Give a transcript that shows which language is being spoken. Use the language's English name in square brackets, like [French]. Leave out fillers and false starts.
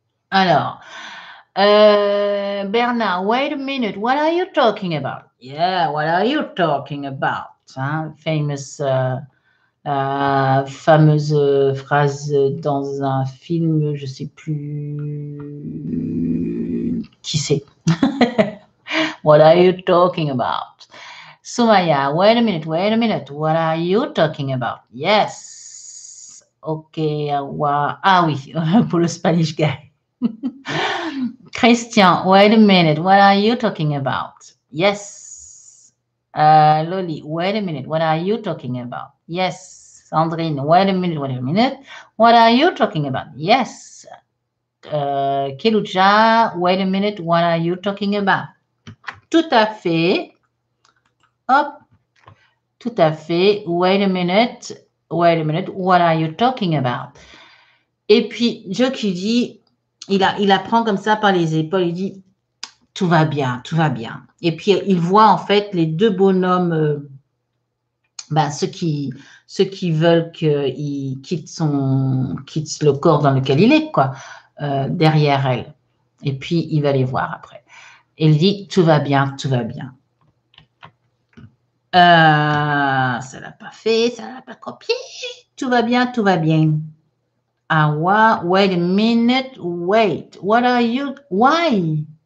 [English] Alors, Bernard, wait a minute, what are you talking about? Yeah, what are you talking about? Hein? [French] Famous, fameuse phrase dans un film, je ne sais plus qui c'est. [English] What are you talking about? Soumaya, wait a minute, what are you talking about? [French] Yes, ok, oui, pour le Spanish guy. [English] Christian, wait a minute, what are you talking about? Yes. Loli, wait a minute, what are you talking about? Yes. Sandrine, wait a minute, what are you talking about? Yes. Kelucha, wait a minute, what are you talking about? [French] Tout à fait. Hop. Tout à fait. [English] Wait a minute, what are you talking about? [French] Et puis, Joe qui dit... Il apprend comme ça par les épaules, il dit « tout va bien, tout va bien ». Et puis, il voit en fait les deux bonhommes, ceux qui veulent qu'il quitte le corps dans lequel il est, quoi, derrière elle. Et puis, il va les voir après. Et il dit « tout va bien, tout va bien ». Ça ne l'a pas fait, ça ne l'a pas copié. « Tout va bien, tout va bien ». [English] Ah, wait a minute, wait. What are you, why?